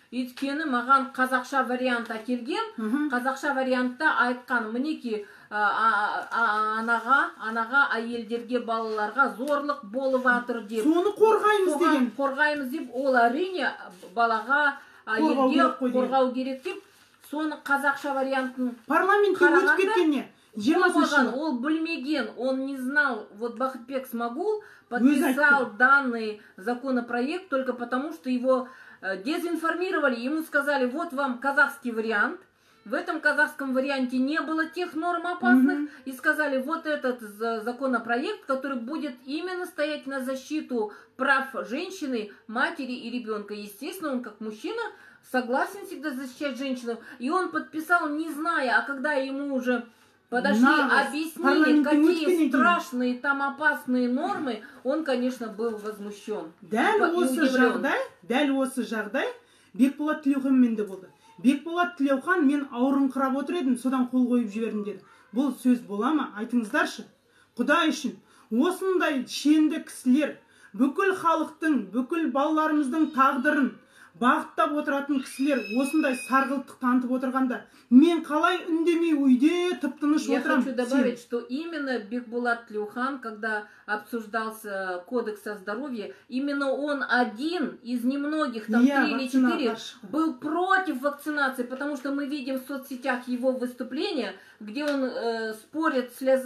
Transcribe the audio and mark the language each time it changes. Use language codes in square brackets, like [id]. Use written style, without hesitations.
[kk] Өйткені маған қазақша вариант әкелген, қазақша вариантта айтқан, мінекей анаға, әйелдерге, балаларға зорлық болып атыр деп. Соны қорғаймыз деген. Қорғаймыз деп, ол әрине балаға, әйелге қорғау керек деп, соны қазақша вариантын парламентке өтіп кеткенде. Жемасын, ол білмеген, [ru] он не знал, вот Бақытбек Смағұл подписал данный законопроект только потому, что его дезинформировали, ему сказали, вот вам казахский вариант, в этом казахском варианте не было тех норм опасных, и сказали, вот этот законопроект, который будет именно стоять на защиту прав женщины, матери и ребенка. Естественно, он как мужчина согласен всегда защищать женщину, и он подписал, не зная, а когда ему уже подошли, объяснили, какие страшные там опасные нормы, он, конечно, был возмущен. [kk] Дәл осы жағдай, Бекболат Тілеухан менде болды. Бекболат Тілеухан, мен ауырынқырап отыр едім, содан қол қойып жібердім деді. Бұл сөз бола ма? Айтыңыздаршы. Құдай үшін, осындай шенді кісілер, бүкіл халықтың, бүкіл балаларымыздың тағдырын бағыттап отыратын кісілер осындай сарғылттық танытып отырғанда, мен қалай үндемей үйде тып-тыныш отырам? [ru] Я хочу добавить, что именно Бекболат Тілеухан, когда обсуждался кодекс о здоровье, именно он один из немногих, там 3 или 4, был против вакцинации, потому что мы видим в соцсетях его выступления, где он спорит с